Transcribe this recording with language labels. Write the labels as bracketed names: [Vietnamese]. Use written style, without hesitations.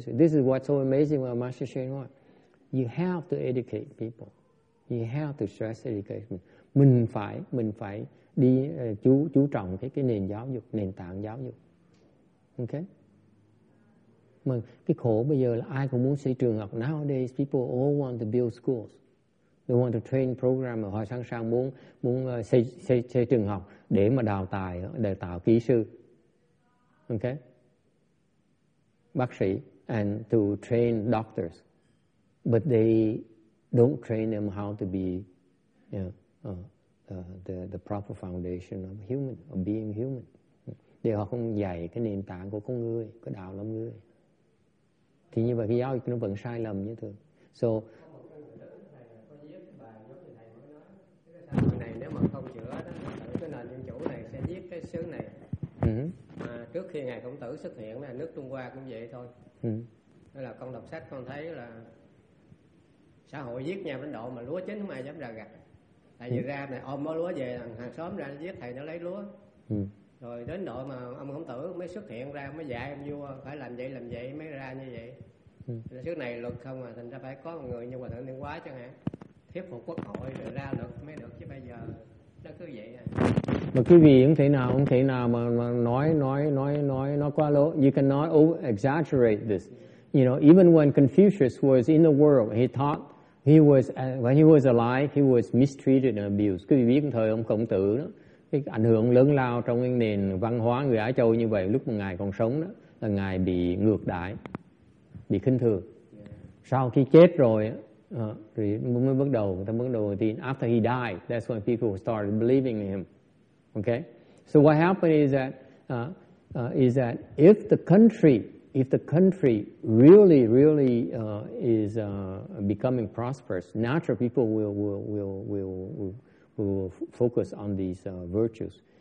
[English] So this is what's so amazing about Master Shen Huang. You have to educate people. You have to stress education. [Vietnamese] Mình phải đi chú trọng cái nền giáo dục, nền tảng giáo dục. Ok. Mà cái khổ bây giờ là ai cũng muốn xây trường học. [English] Nowadays people all want to build schools. They want to train program. [Vietnamese] Họ sẵn sàng muốn xây trường học để mà đào tài, để tạo kỹ sư. [English] Ok. [Vietnamese] Bác sĩ. [English] And to train doctors. But they don't train them how to be, you know, the proper foundation of human, of being human. [Vietnamese] Để họ không dạy cái nền tảng của con người, của đạo lắm người. Thì như vậy cái giáo dục nó vẫn sai lầm như thường. [English] So, [Vietnamese] nếu mà không chữa đó, cái nền dân chủ này sẽ giết cái xứ này. Mà trước khi ngài Khổng Tử xuất hiện là nước Trung Hoa cũng vậy thôi. Đó là con đọc sách con thấy là xã hội giết nhà Ấn Độ mà lúa chín không ai dám ra gặt. Tại vì ra này ôm bó lúa về thằng hàng xóm ra giết thầy nó lấy lúa. Rồi đến độ mà ông Khổng Tử mới xuất hiện ra mới dạy ông vua phải làm vậy mới ra như vậy. Trước này luật không à, thành ra phải có một người như Hòa Thượng Liên Hóa chẳng hạn. Thuyết phục quốc hội rồi ra luật mới được chứ bây giờ nó cứ vậy à. Mà quý vị không thể nào mà nói quá lỗ. [English] You cannot over-exaggerate this. You know, even when Confucius was in the world, he taught, when he was alive, he was mistreated and abused. [Vietnamese] Quý vị biết thời ông Khổng Tử đó, cái ảnh hưởng lớn lao trong cái nền văn hóa người Á Châu như vậy, lúc mà ngài còn sống đó, là ngài bị ngược đãi, bị khinh thường. Sau khi chết rồi, người ta mới bắt đầu tin. [English] After he died, that's when people started believing in him. Okay? So what happened is that if the country really is becoming prosperous, naturally people will focus on these virtues.